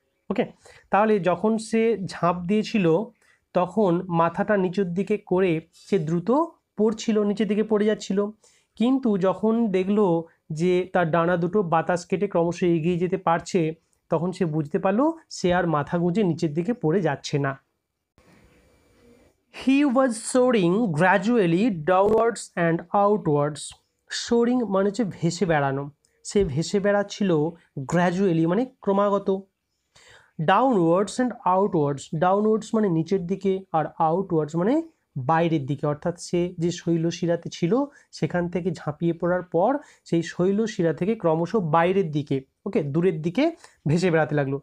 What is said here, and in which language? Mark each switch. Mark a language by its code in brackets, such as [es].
[bn] ওকে, তাহলে যখন সে ঝাঁপ দিয়েছিল তখন মাথাটা নিচের দিকে করে সে দ্রুত পড়ছিল, নিচের দিকে পড়ে যাচ্ছিল, কিন্তু যখন দেখলো যে তার ডানা দুটো বাতাস কেটে ক্রমশ এগিয়ে যেতে পারছে তখন সে বুঝতে পারলো সে আর মাথা গুঁজে নিচের দিকে পড়ে যাচ্ছে না। [en] He was soaring gradually downwards and outwards. [bn] Soaring মানে হচ্ছে ভেসে বেড়ানো, সে ভেসে বেড়াচ্ছিল গ্র্যাজুয়ালি মানে ক্রমাগত। [en] downwards and outwards, [bn] ডাউনওয়ার্ডস মানে নিচের দিকে আর আউটওয়ার্ডস মানে বাইরের দিকে, অর্থাৎ সে যে শৈলশিরাতে ছিল সেখান থেকে ঝাঁপিয়ে পড়ার পর সেই শৈলশিরা থেকে ক্রমশ বাইরের দিকে, ওকে, দূরের দিকে ভেসে বেড়াতে লাগলো।